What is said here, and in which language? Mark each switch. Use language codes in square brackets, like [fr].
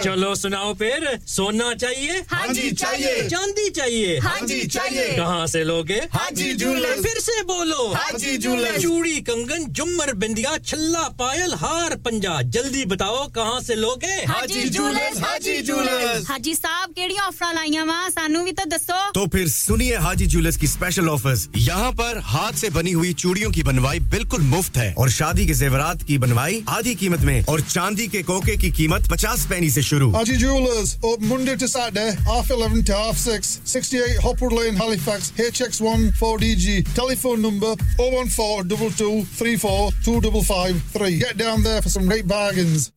[ur] چلو سناؤ پھر سونا چاہیے ہاں جی چاہیے چاندی چاہیے ہاں جی چاہیے کہاں سے لوگے ہاں جی جولس پھر سے بولو ہاں جی جولس چوڑی کنگن جمر بندیا چھلا پائل ہار پنجا جلدی بتاؤ کہاں سے لوگے ہاں جی جولس ہاں جی جولس [pa] ہاں جی صاحب کیڑی آفر لائیاں وا سانو بھی تو دسو [ur] تو پھر سنیے ہاں جی جولس کی اسپیشل آفرز یہاں پر ہاتھ سے بنی ہوئی چوڑیوں کی بنوائی بالکل مفت ہے اور شادی کے زیورات کی بنوائی آدھی قیمت میں اور چاندی کے کوکے کی قیمت 50 پینی سے شروع [en] آجی jewellers open Monday to Saturday half 11 to half 6 68 Hopwood lane Halifax HX1 4DG telephone number 01422342553 get down there for some great bargains